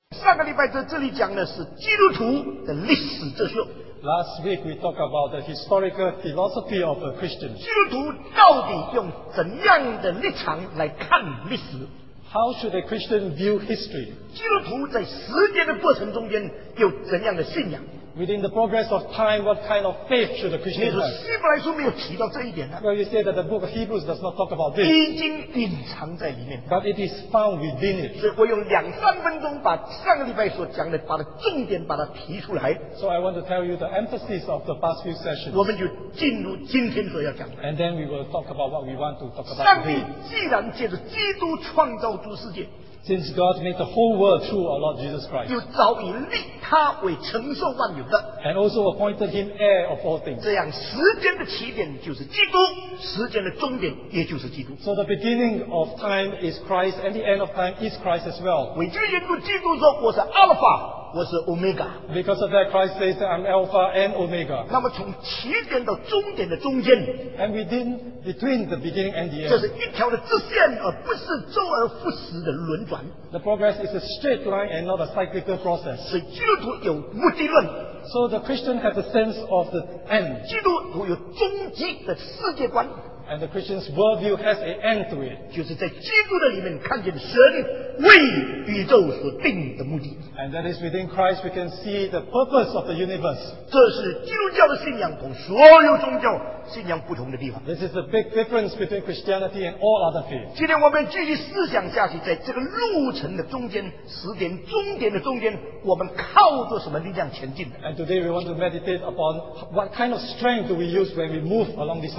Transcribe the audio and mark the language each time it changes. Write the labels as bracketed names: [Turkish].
[Chinese] 上个礼拜在这里讲的是基督徒的历史哲学。 [English] Last week we talked about the historical philosophy of a Christian. [Chinese] 基督徒到底用怎样的立场来看历史？ [English] How should a Christian view history? [Chinese] 基督徒在时间的过程中间有怎样的信仰？ [English] Within the progress of time, what kind of faith should a Christian have? [Chinese] 希伯来书没有提到这一点啊。 [English] Well, you say that the book of Hebrews does not talk about this. [Chinese] 已经隐藏在里面。 [English] But it is found within it. [Chinese] 所以我用两三分钟把上个礼拜所讲的，把它重点把它提出来。 [English] So I want to tell you the emphasis of the past few sessions. [Chinese] 我们就进入今天所要讲的。 [English] And then we will talk about what we want to talk about. [Chinese] 上帝既然借着基督创造诸世界。 [English] Since God made the whole world through our Lord Jesus Christ, [Chinese] 又早已立他为承受万有的 [English] ，and also appointed him heir of all things. [Chinese] 这样，时间的起点就是基督，时间的终点也就是基督。 [English] So the beginning of time is Christ, and the end of time is Christ as well. [Chinese] 为这缘故，基督说：“我是 Alpha， 我是 Omega。” [English] Because of that, Christ says that I'm Alpha and Omega. [Chinese] 那么从起点到终点的中间 [English] ，and between the beginning and the end， [Chinese] 这是一条的直线，而不是周而复始的轮转。 [English] The progress is a straight line and not a cyclical process. [Chinese] 所以基督徒有目的论。 [English] So the Christian has a sense of the end. [Chinese] 基督徒有终极的世界观。 [English] And the Christian's worldview has an end to it. [Chinese] 就是在基督的里面看见神为宇宙所定的目的。 [English] And that is within Christ we can see the purpose of the universe. [Chinese] 这是基督教的信仰同所有宗教信仰不同的地方。 [English] This is the big difference between Christianity and all other faiths. [Chinese] 今天我们继续思想下去，在这个路程的中间，时间终点的中间，我们靠着什么力量前进的？ [English] And today we want to meditate upon what kind of strength do we use when we move along this.